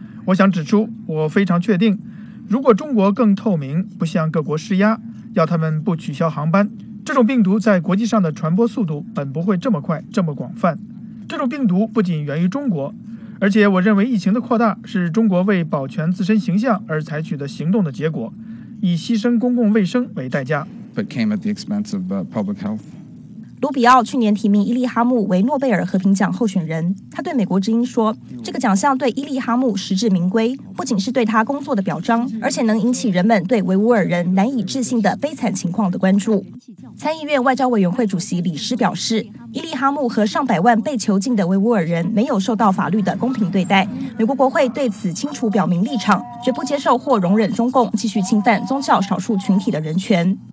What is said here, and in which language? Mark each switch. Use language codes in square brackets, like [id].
[zh] 我想指出，我非常确定，如果中国更透明，不向各国施压，要他们不取消航班，这种病毒在国际上的传播速度本不会这么快，这么广泛。这种病毒不仅源于中国，而且我认为疫情的扩大是中国为保全自身形象而采取的行动的结果，以牺牲公共卫生为代价。 [en] But came at the expense of public health. [zh] 卢比奥去年提名伊利哈姆为诺贝尔和平奖候选人，他对美国之音说，这个奖项对伊利哈姆实至名归，不仅是对他工作的表彰，而且能引起人们对维吾尔人难以置信的悲惨情况的关注。参议院外交委员会主席李施表示，伊利哈姆和上百万被囚禁的维吾尔人没有受到法律的公平对待，美国国会对此清楚表明立场，绝不接受或容忍中共继续侵犯宗教少数群体的人权。